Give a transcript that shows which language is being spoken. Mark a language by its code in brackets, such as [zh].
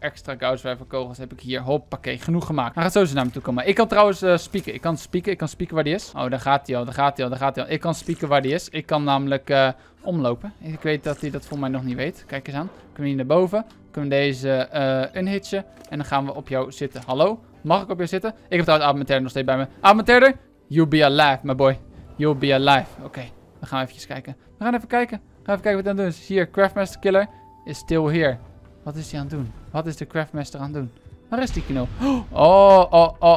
[nl] Extra Gauss-driver kogels heb ik hier. Hoppakee, genoeg gemaakt. Hij gaat sowieso naar me toe komen. Ik kan trouwens spieken. Ik kan spieken waar die is. Oh, daar gaat hij al. Ik kan spieken waar die is. Ik kan namelijk omlopen. Ik weet dat hij dat voor mij nog niet weet. Kijk eens aan. Kunnen we hier naar boven. Kunnen we deze unhitchen. En dan gaan we op jou zitten. Hallo, mag ik op jou zitten? Ik heb trouwens Abmenterder nog steeds bij me. [en] Abmenterder, you'll be alive, my boy. You'll be alive. [nl] Oké. We gaan even kijken. Even kijken wat hij aan het doen is. Hier, Craftmaster Killer [en] is still here. [nl] Wat is hij aan het doen? Wat is de Craftmaster aan het doen? Waar is die knul? Oh.